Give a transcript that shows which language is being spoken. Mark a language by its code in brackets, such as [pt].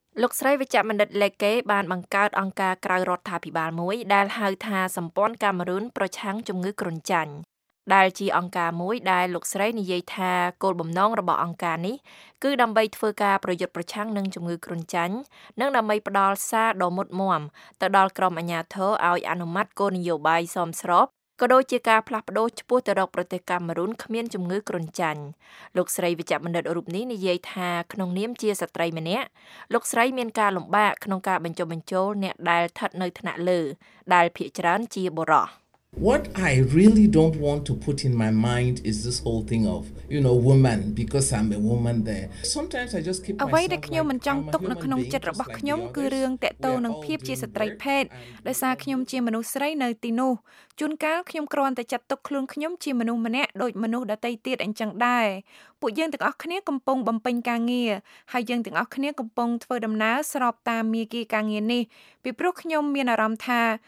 [km] លោកស្រីវិជ្ជបណ្ឌិតលេកេបានបង្កើតអង្គការក្រៅរដ្ឋាភិបាលមួយដែលហៅថាសម្ព័ន្ធកាមេរូនប្រឆាំងជំងឺគ្រុនចាញ់ដែលជាអង្គការមួយដែលលោកស្រីនិយាយថាគោលបំណងរបស់អង្គការនេះគឺដើម្បីធ្វើការប្រយុទ្ធប្រឆាំងនឹងជំងឺគ្រុនចាញ់និងដើម្បីផ្ដល់សារដ៏មុតមមទៅដល់ក្រុមអាជ្ញាធរឲ្យអនុម័តគោលនយោបាយសមស្របក៏ដូចជាការផ្លាស់ប្ដូរឈ្មោះទៅរកប្រទេសកាមេរូនគ្មានជំងឺគ្រុនចាញ់ លោកស្រីវិជ្ជបណ្ឌិតរូបនេះនិយាយថាក្នុងនាមជាស្ត្រីម្នាក់លោកស្រីមានការលំបាកក្នុងការបញ្ចុះបញ្ចូលអ្នកដែលថត់នៅថ្នាក់លើដែលភាគច្រើនជាបុរស [en] What I really don't want to put in my mind is this whole thing of you know woman because I'm a woman there sometimes I just keep myself [km] away ដែលខ្ញុំមិនចង់ទុកនៅក្នុងចិត្តរបស់ខ្ញុំគឺរឿងតេតោនឹងភាពជាស្ត្រីភេទដោយសារខ្ញុំជាមនុស្សស្រីនៅទីនោះជួនកាលខ្ញុំគ្រាន់តែចាត់ទុកខ្លួនខ្ញុំជាមនុស្សម្នាក់ដូចមនុស្សដទៃទៀតអញ្ចឹងដែរពួកយើងទាំងអស់គ្នាកំពុងបំពេញការងារហើយយើងទាំងអស់គ្នាកំពុងធ្វើដំណើរស្របតាមមាគ៌ាការងារនេះពីព្រោះខ្ញុំមានអារម្មណ៍ថា